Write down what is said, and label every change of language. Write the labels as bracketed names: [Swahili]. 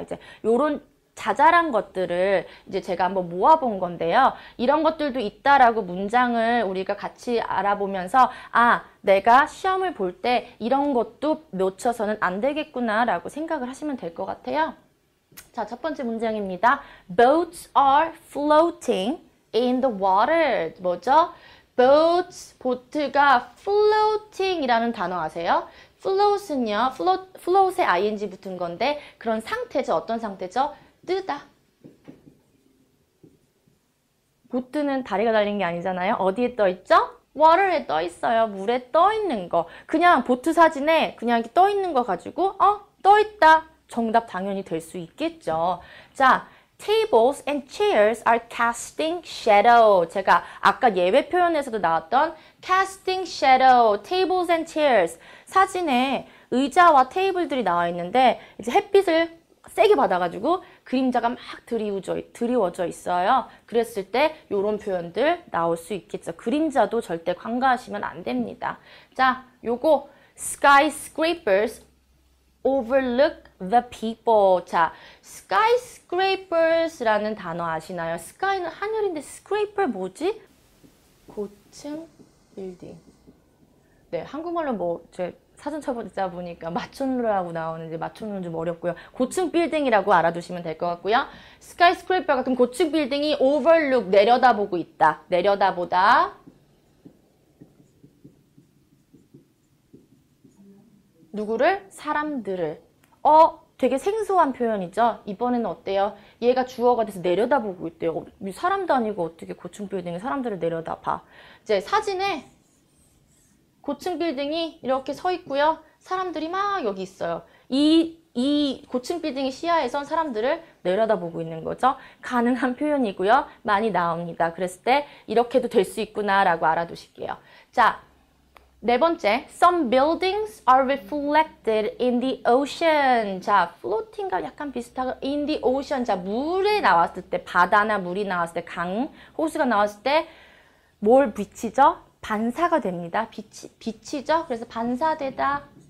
[Korean] 이제 요런 자잘한 것들을 이제 제가 한번 모아본 건데요. 이런 것들도 있다라고 문장을 우리가 같이 알아보면서, 아, 내가 시험을 볼때 이런 것도 놓쳐서는 안 되겠구나라고 생각을 하시면 될것 같아요. 자, 첫 번째 문장입니다. [English] Boats are floating in the water. [Korean] 뭐죠? Boats, 보트가 floating이라는 단어 아세요? Float은요, float에 ing 붙은 건데, 그런 상태죠. 어떤 상태죠? 뜨다. 보트는 다리가 달린 게 아니잖아요. 어디에 떠 있죠? Water에 떠 있어요. 물에 떠 있는 거. 그냥 보트 사진에 그냥 이렇게 떠 있는 거 가지고, 떠 있다. 정답 당연히 될수 있겠죠. [English] 자, tables and chairs are casting shadow. [Korean] 제가 아까 예외 표현에서도 나왔던 [English] casting shadow, tables and chairs. [Korean] 사진에 의자와 테이블들이 나와 있는데, 이제 햇빛을 세게 받아가지고 그림자가 막 드리워져 있어요. 그랬을 때 요런 표현들 나올 수 있겠죠. 그림자도 절대 간과하시면 안 됩니다. [English] 자, 요거 skyscrapers overlook the people. [Korean] 자, skyscrapers라는 단어 아시나요? sky는 하늘인데 scraper 뭐지? 고층 빌딩. 네, 한국말로 뭐제 사전 찾아보다 보니까 맞춤으로라고 나오는지 맞춤으로는 좀 어렵고요. 고층 빌딩이라고 알아두시면 될것 같고요. 스카이스크래퍼가 그럼 고층 빌딩이 오버룩 내려다보고 있다. 내려다보다 누구를? 사람들을. 되게 생소한 표현이죠? 이번에는 어때요? 얘가 주어가 돼서 내려다보고 있대요. 사람도 아니고 어떻게 고층 빌딩에 사람들을 내려다봐. 이제 사진에 고층 빌딩이 이렇게 서 있고요. 사람들이 막 여기 있어요. 이 고층 빌딩의 시야에선 사람들을 내려다보고 있는 거죠. 가능한 표현이고요. 많이 나옵니다. 그랬을 때 이렇게도 될수 있구나라고 알아두실게요. 자, 네 번째. [English] Some buildings are reflected in the ocean. [Korean] 자, floating과 약간 비슷하고 [English] in the ocean. [Korean] 자, 물에 나왔을 때, 바다나 물이 나왔을 때, 강, 호수가 나왔을 때뭘 비치죠? 반사가 됩니다. 빛이죠? 그래서 반사되다.